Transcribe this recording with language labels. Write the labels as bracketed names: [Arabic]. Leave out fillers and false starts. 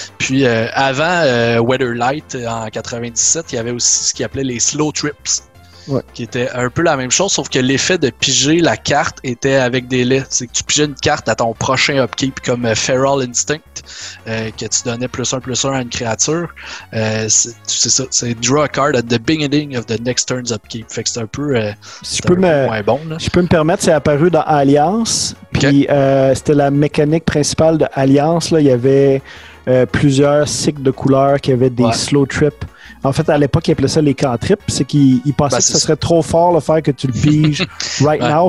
[French] Puis avant Weatherlight en 97, il y avait aussi ce qu'ils appelaient les Slow Trips. Ouais. Qui était un peu la même chose, sauf que l'effet de piger la carte était avec délai. C'est que tu pigeais une carte à ton prochain upkeep comme Feral Instinct, que tu donnais +1/+1 à une créature. [English] C'est draw a card at the beginning of the next turn's upkeep. [French] Fait que c'est un peu, moins bon. Là. Je peux me permettre, c'est apparu dans Alliance. Puis okay. C'était la mécanique principale de Alliance. Là. Il y avait plusieurs cycles de couleurs qui avaient des slow trips. En fait, à l'époque, ils appelaient ça les cantrips. C'est qu'ils pensaient que ça serait trop fort le faire que tu le piges now.